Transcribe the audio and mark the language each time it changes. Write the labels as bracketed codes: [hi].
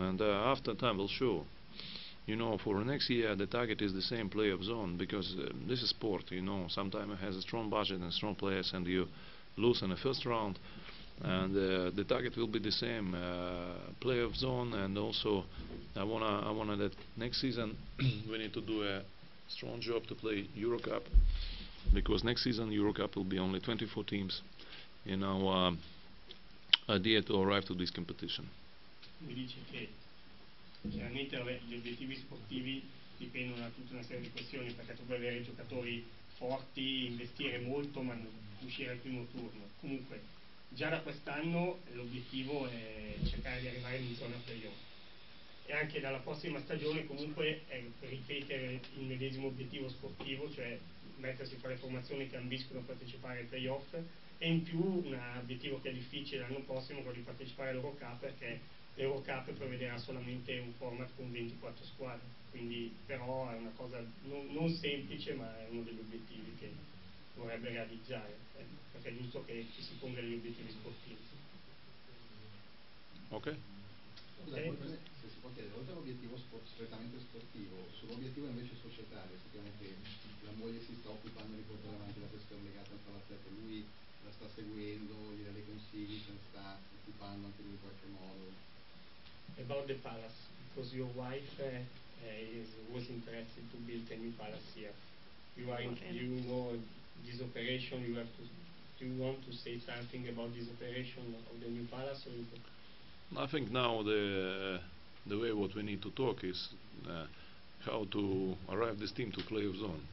[en] And after time will show. You know, for next year the target is the same playoff zone, because this is sport, you know, sometimes it has a strong budget and strong players and you lose in the first round, and the target will be the same playoff zone. And also I wanna that next season we need to do a strong job to play Eurocup, because next season Eurocup will be only 24 teams in our idea to arrive to this competition. [it] Chiaramente gli obiettivi sportivi dipendono da tutta una serie di questioni, perché tu puoi avere giocatori forti, investire molto ma non uscire al primo turno. Comunque già da quest'anno l'obiettivo è cercare di arrivare in zona playoff, e anche dalla prossima stagione comunque è ripetere il medesimo obiettivo sportivo, cioè mettersi fra le formazioni che ambiscono a partecipare ai playoff, e in più un obiettivo che è difficile l'anno prossimo, quello di partecipare all'Eurocup, perché l'Eurocup prevederà solamente un format con 24 squadre, quindi però è una cosa non semplice, ma è uno degli obiettivi che vorrebbe realizzare, perché è giusto che ci si ponga gli obiettivi sportivi. Ok. Se si può chiedere, oltre all'obiettivo strettamente sportivo, sull'obiettivo invece societario, sicuramente la moglie si sta occupando di portare avanti la questione legata al palazzetto, lui la sta seguendo, gli dà dei consigli, se ne sta occupando anche lui in qualche modo. [en] About the palace, because your wife was interested to build a new palace here. You are, you know, this operation. You have to. Do you want to say something about this operation of the new palace? Or I think now the way what we need to talk is how to arrive this team to playoff zone.